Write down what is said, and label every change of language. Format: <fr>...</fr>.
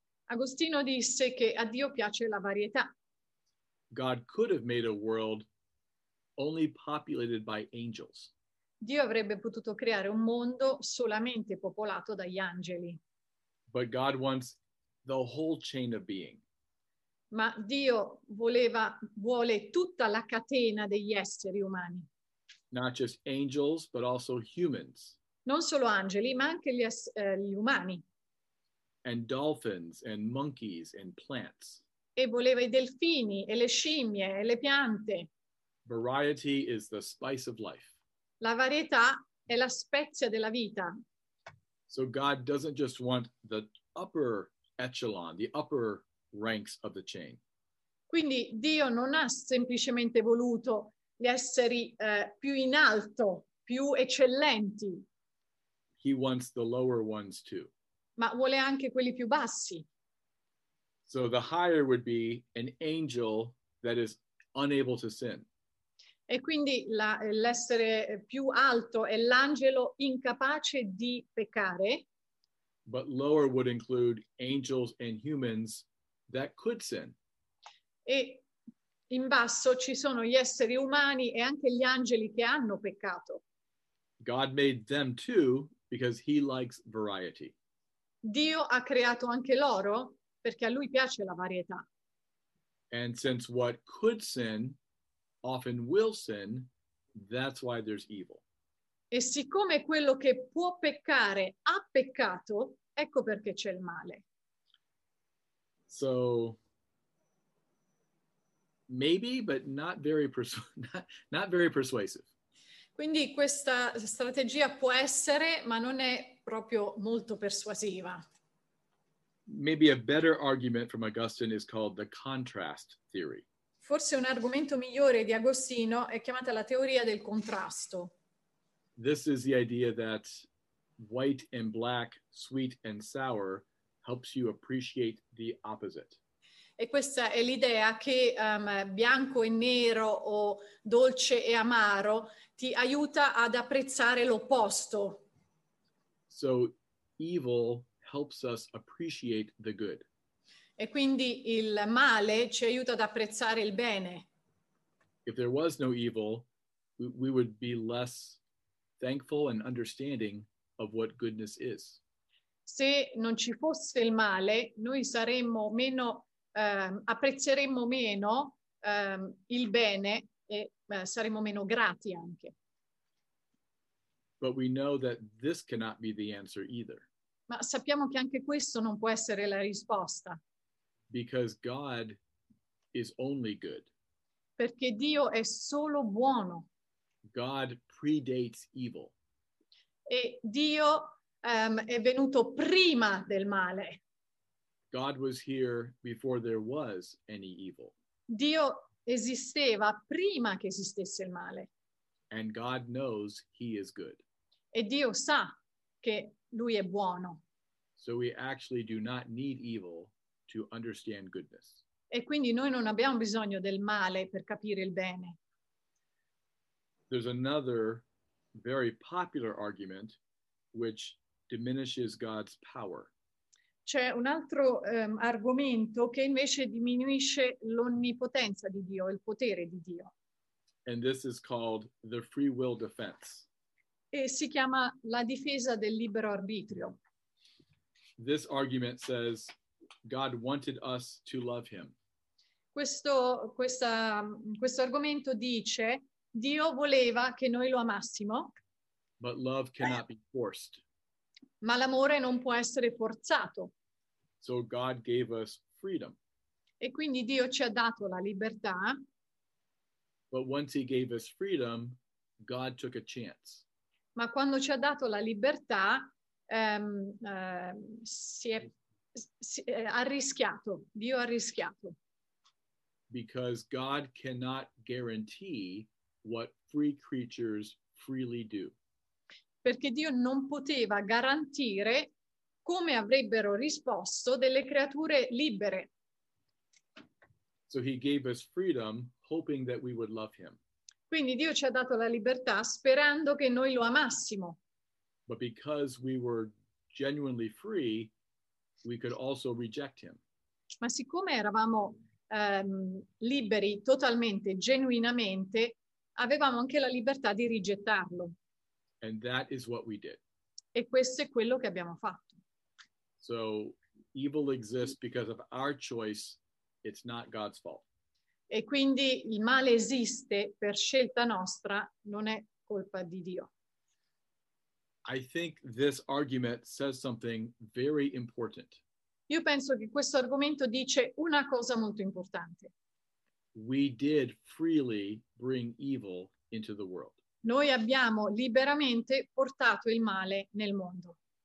<it>Agostino disse che a Dio piace la varietà.</it> <en>God could have made a world only populated by angels.</en> <it>Dio avrebbe potuto creare un mondo solamente popolato dagli angeli.</it> <en>But God wants the whole chain of being.</en> <it>Ma Dio vuole tutta la catena degli esseri umani.</it> <en>not just angels, but also humans.</en> <it>Non solo angeli, ma anche gli umani.</it> <en>And dolphins and monkeys and plants.</en> <it>E voleva i delfini e le scimmie e le piante.</it> <en>Variety is the spice of life.</en> <it>La varietà è la spezia della vita.</it> <en>So God doesn't just want the upper echelon, the upper ranks of the chain.</en> <it>Quindi Dio non ha semplicemente voluto gli esseri più in alto, più eccellenti.</it> <en>He wants the lower ones too.</en> <it>Ma vuole anche quelli più bassi.</it> <en>So the higher would be an angel that is unable to sin.</en> <it>E quindi l'essere più alto è l'angelo incapace di peccare.</it> <en>But lower would include angels and humans that could sin.</en> <it>E in basso ci sono gli esseri umani e anche gli angeli che hanno peccato.</it> <en>God made them too because he likes variety.</en> <it>Dio ha creato anche loro perché a lui piace la varietà.</it> <en>And since what could sin often will sin, that's why there's evil.</en> <it>E siccome quello che può peccare ha peccato, ecco perché c'è il male.</it> <en>So maybe, but not very persuasive.</en> <it>Quindi questa strategia può essere, ma non è proprio molto persuasiva.</it> <en>Maybe a better argument from Augustine is called the contrast theory.</en> <it>Forse un argomento migliore di Agostino è chiamata la teoria del contrasto.</it> <en>This is the idea that white and black, sweet and sour, helps you appreciate the opposite.</en> <it>E questa è l'idea che bianco e nero o dolce e amaro ti aiuta ad apprezzare l'opposto.</it> <en>So evil helps us appreciate the good.</en> <it>E quindi il male ci aiuta ad apprezzare il bene.</it> <en>If there was no evil, we would be less thankful and understanding of what goodness is.</en> <it>Se non ci fosse il male, noi saremmo meno apprezzeremmo meno il bene e saremmo meno grati anche.</it> <en>But we know that this cannot be the answer either.</en> <it>Ma sappiamo che anche questo non può essere la risposta.</it> <en>Because God is only good.</en> <it>Perché Dio è solo buono.</it> <en>God predates evil.</en> <it>E Dio è venuto prima del male.</it> <en>God was here before there was any evil.</en> <it>Dio esisteva prima che esistesse il male.</it> <en>And God knows he is good.</en> <it>E Dio sa che lui è buono.</it> <en>So we actually do not need evil to understand goodness.</en> <it>E quindi noi non abbiamo bisogno del male per capire il bene.</it> <en>There's another very popular argument which diminishes God's power.</en> <it>C'è un altro argomento che invece diminuisce l'onnipotenza di Dio, il potere di Dio.</it> <en>And this is called the free will defense.</en> <it>E si chiama la difesa del libero arbitrio.</it> <en>This argument says God wanted us to love him.</en> <it>Questo argomento dice Dio voleva che noi lo amassimo.</it> <en>But love cannot be forced.</en> <it>Ma l'amore non può essere forzato.</it> <en>So God gave us freedom.</en> <it>E quindi Dio ci ha dato la libertà.</it> <en>But once he gave us freedom, God took a chance.</en> <it>Ma quando ci ha dato la libertà, ha rischiato. Dio ha rischiato.</it> <en>Because God cannot guarantee what free creatures freely do.</en> <it>Perché Dio non poteva garantire come avrebbero risposto delle creature libere.</it> <en>So he gave us freedom, hoping that we would love him.</en> <it>Quindi Dio ci ha dato la libertà sperando che noi lo amassimo.</it> <en>But because we were genuinely free, we could also reject him.</en> <it>Ma siccome eravamo liberi totalmente, genuinamente, avevamo anche la libertà di rigettarlo.</it> <en>And that is what we did.</en> <it>E questo è quello che abbiamo fatto.</it> <en>So evil exists because of our choice. It's not God's fault.</en> <it>E quindi il male esiste per scelta nostra, non è colpa di Dio.</it> <en>I think this argument says something very important.</en> <it>Io penso che questo argomento dice una cosa molto importante.</it> <en>We did freely bring evil into the world.</en> <it>Noi abbiamo liberamente portato il male nel mondo.</it>